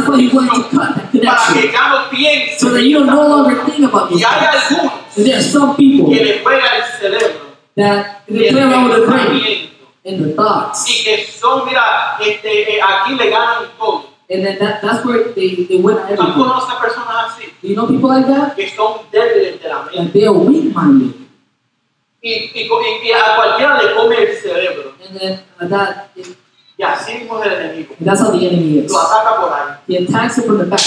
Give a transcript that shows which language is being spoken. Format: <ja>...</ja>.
<en>That's why he wants to cut that connection.</en> <es>Para que ya no pienses.</es> <en>So that you don't no longer think about this.</en> <es>Y hay algunos.</es> <en>And there are some people.</en> <es>Que le juega el cerebro.</es> <en>That they play around with the brain and the thoughts.</en> <es>Y que son, mira, aquí le ganan todo.</es> <en>And then that's where they win everything.</en> <es>¿Tú conoces personas así?</es> <en>Do you know people like that?</en> <es>Que son débiles de la mente.</es> <en>And they are weak minded.</en> <es>Y a cualquiera le come el cerebro.</es> <en>And then that.</en> <es>Y así mismo es el enemigo.</es> <en>And that's how the enemy is.</en> <es>Lo ataca por ahí.</es> <en>He attacks it from the back.</en>